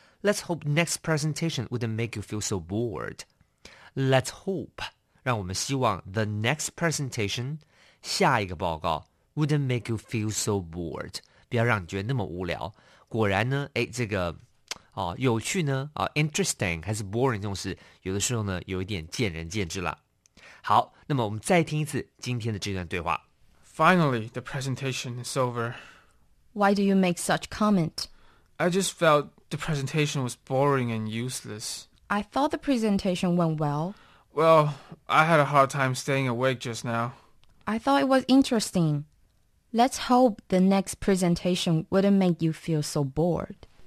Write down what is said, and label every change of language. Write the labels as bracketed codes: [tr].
[en] Let's hope next presentation wouldn't make you feel so bored. Let's hope, [zh] 让我们希望 [en] the next presentation, [zh] 下一个报告 [en] wouldn't make you feel so bored. [zh] 不要让你觉得那么无聊。果然呢，诶，这个哦，有趣呢，哦，interesting 还是 boring 这种事，有的时候呢，有一点见仁见智了。好，那么我们再听一次今天的这段对话。 [en] Finally, the presentation is over. Why do you make such comment? I just felt the presentation was boring and useless. I thought the presentation went well. Well, I had a hard time staying awake just now. I thought it was interesting. Let's hope the next presentation wouldn't make you feel so bored.